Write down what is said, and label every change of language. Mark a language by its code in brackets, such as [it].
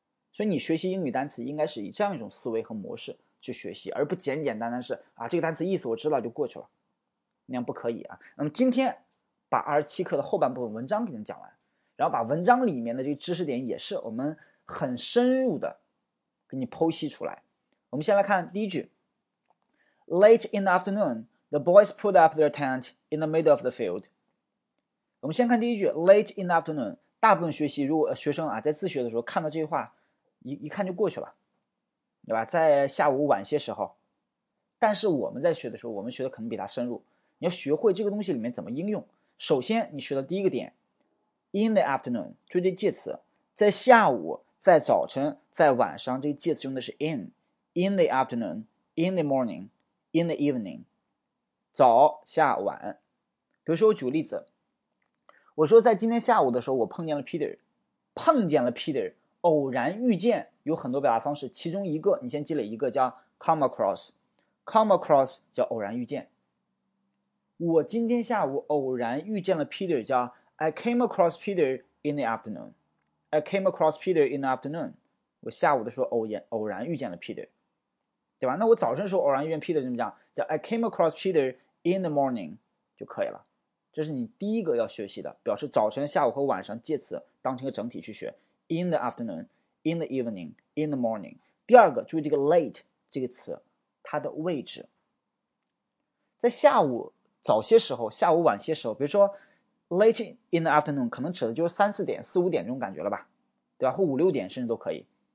[zh] 所以你学习英语单词应该是以这样一种思维和模式去学习，而不简简单单是啊这个单词意思我知道就过去了，那样不可以啊。那么今天把27课的后半部分文章给你讲完，然后把文章里面的这个知识点也是我们很深入的给你剖析出来。我们先来看第一句： [en] Late in the afternoon, the boys put up their tent in the middle of the field。 [zh] 我们先看第一句： [en] Late in the afternoon。 [zh] 大部分学习，如果学生啊在自学的时候看到这句话，一看就过去了。对吧？在下午晚些时候，但是我们在学的时候，我们学的可能比它深入。你要学会这个东西里面怎么应用。首先，你学的第一个点， [en] in the afternoon， [zh] 注意介词，在下午、在早晨、在晚上，这个介词用的是 [en] in the afternoon，in the morning，in the evening， [zh] 早、下、晚。比如说，我举个例子，我说在今天下午的时候，我碰见了 Peter，碰见了 Peter，偶然遇见。有很多表达方式，其中一个你先积累一个叫 come across 叫偶然遇见。我今天下午偶然遇见了 Peter，叫 [en] I came across Peter in the afternoon。 I came across Peter in the afternoon。 [zh] 我下午的时候偶然遇见了 Peter，对吧？那我早晨时候偶然遇见 Peter 怎么讲？ [en] 叫 I came across Peter in the morning [zh] 就可以了。这是你第一个要学习的，表示早晨、下午和晚上介词当成一个整体去学， [en] in the afternoon。 In the evening, in the morning。 [zh] 第二个，注意这个 late 这个词，它的位置，在下午早些时候，下午晚些时候，比如说 [en] late in the afternoon， [zh] 可能指的就是3、4点、4、5点这种感觉了吧，对吧？或5、6点甚至都可以。